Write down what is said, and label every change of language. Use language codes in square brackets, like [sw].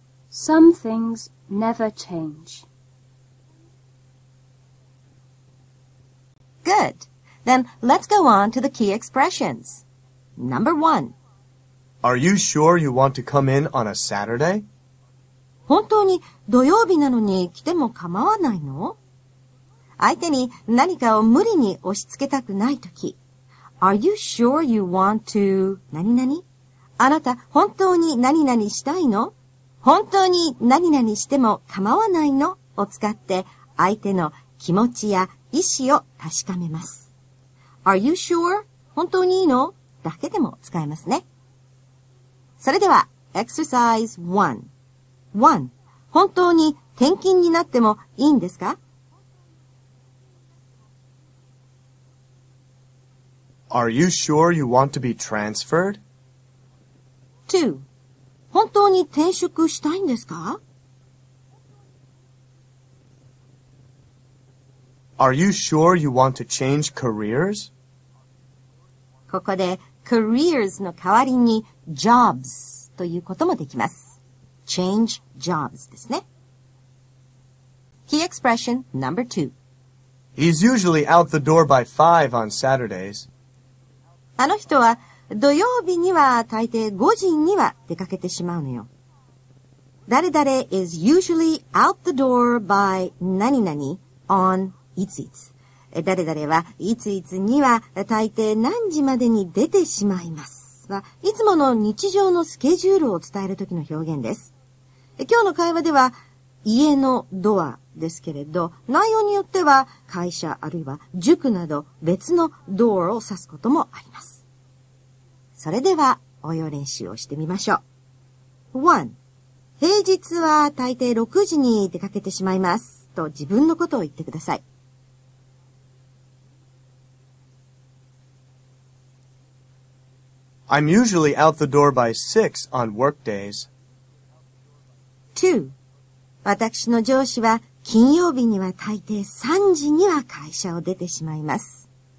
[en] Some things never change. Good. Then let's go on to the key expressions. Number one. Are you sure you want to come in on a Saturday? [ja] 本当に土曜日なのに来ても構わないの? 相手に何かを無理に押し付けたくないとき。 [en] Are you sure you want to 何々? [ja] あなた本当に何々したいの? 本当に何々しても構わないの?を使って相手の気持ちや意思を確かめます。 [en] Are you sure? [ja] 本当にいいの?だけでも使えますね。それでは、Exercise 1. 1. 本当に転勤になってもいいんですか? [en] Are you sure you want to be transferred? 2. [ja] 本当に転職したいんですか? [en] Are you sure you want to change careers? [ja] ここで careers の代わりに jobs ということもできます。 [en] Change jobs ですね。Key expression number 2. He's usually out the door by 5 on Saturdays. [ja] あの人は土曜日には大抵5時には出かけてしまうのよ。 [en] 誰々 is usually out the door by 何々 on いついつ。 [ja] 誰々はいついつには大抵何時までに出てしまいます。はいつもの日常のスケジュールを伝えるときの表現です。今日の会話では家のドアですけれど、内容によっては会社あるいは塾など別のドアを指すこともあります。それでは応用練習をしてみましょう。 1. 平日は大抵6時に出かけてしまいますと自分のことを言ってください。 [en] I'm usually out the door by 6 on work days. 2. [ja] 私の上司は金曜日には大抵3時には会社を出てしまいます。